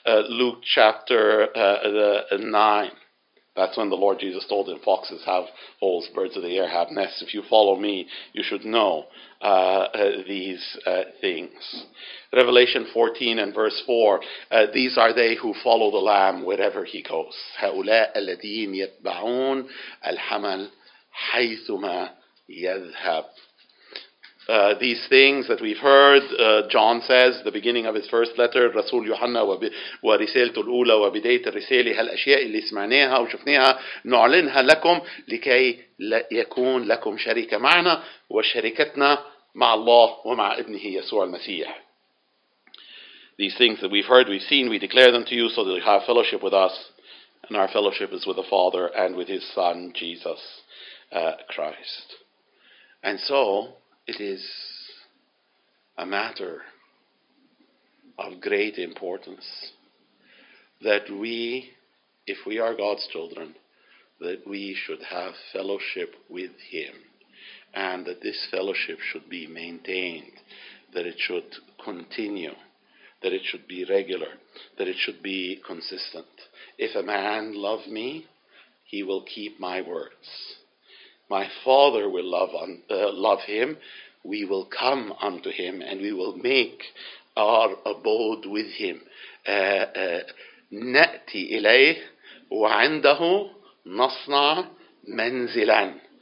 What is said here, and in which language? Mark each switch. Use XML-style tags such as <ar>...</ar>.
<en>Luke chapter 9. That's when the Lord Jesus told him, foxes have holes, birds of the air have nests. If you follow me, you should know these things. Revelation 14 and verse 4, these are they who follow the Lamb wherever he goes.</en> <ar>هؤلاء الذين يتبعون الحمل حيثما يذهب.</ar> <en>These things that we've heard, John says, the beginning of his first letter,</en> <ar>Rasul Yohanna ورسالته الأولى وبداية الرسالة هالأشياء اللي سمعناها وشفناها نعلنها لكم لكي يكون لكم شريكة معنا وشركتنا مع الله ومع ابنه يسوع المسيح.</ar> <en>These things that we've heard, we've seen, we declare them to you so that you have fellowship with us, and our fellowship is with the Father and with his Son, Jesus Christ. And so, it is a matter of great importance that we, if we are God's children, that we should have fellowship with him, and that this fellowship should be maintained, that it should continue, that it should be regular, that it should be consistent. If a man love me, he will keep my words. My Father will love him. We will come unto him and we will make our abode with him.</en> <ar>نأتي إليه وعنده نصنع منزلا.</ar>